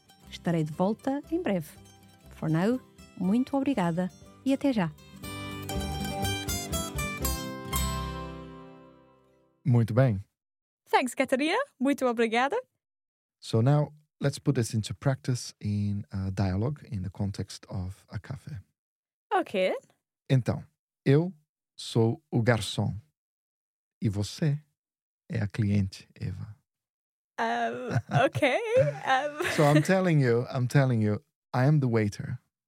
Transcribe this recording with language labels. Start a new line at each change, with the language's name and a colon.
Portuguese: Estarei de volta em breve.
English: For now,
Portuguese: muito obrigada e até já. Muito bem.
English: Thanks, Catarina.
Portuguese: Muito obrigada.
English: So now, let's put this into practice in a dialogue in the context of a café. Okay.
Portuguese: Então, eu sou o garçom e você é a cliente, Eva.
English: Okay. So I'm telling you, I am the waiter.